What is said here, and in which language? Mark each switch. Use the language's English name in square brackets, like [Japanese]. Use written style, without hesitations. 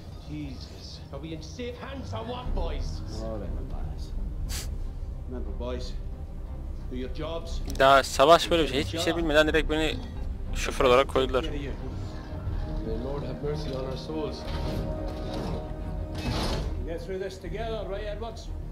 [English] Jesus, are we in safe hands or what, boys? All right, my boys. Remember, boys, do your jobs. [Turkish] Daha savaş böyle bir şey, hiçbir şey bilmeden direkt beni şoför olarak koydular. [English] May Lord have mercy on our souls. Get through this together, right, Edwards?